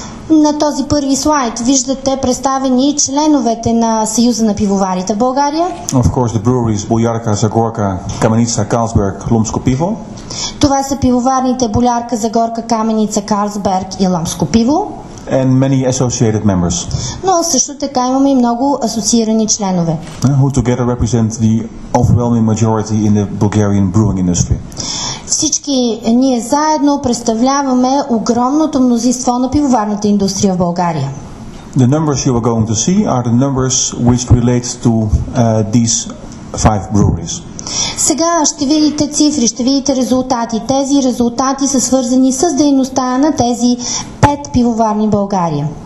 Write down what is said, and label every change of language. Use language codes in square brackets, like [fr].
[bg] На този първи слайд виждате представени членовете на Съюза на пивоварите в България. [en] Of course, the breweries Bulyarka, Zagorka, Kamenica, Carlsberg, Lomsko Pivo. [bg] Това са пивоварните Bulyarka, Zagorka, Kamenica, Carlsberg и Lomsko Pivo. [en] And many associated members. [bg] Но също така имаме и много асоциирани членове. [en] Who together represent the overwhelming majority in the Bulgarian brewing industry. [bg] Всички ние заедно представляваме огромното мнозинство на пивоварната индустрия в България. [en] The numbers you are going to see are the numbers which relate to these five breweries. [bg] Сега ще видите цифри, ще видите резултати. Тези резултати са свързани с дейността на тези пет пивоварни в България.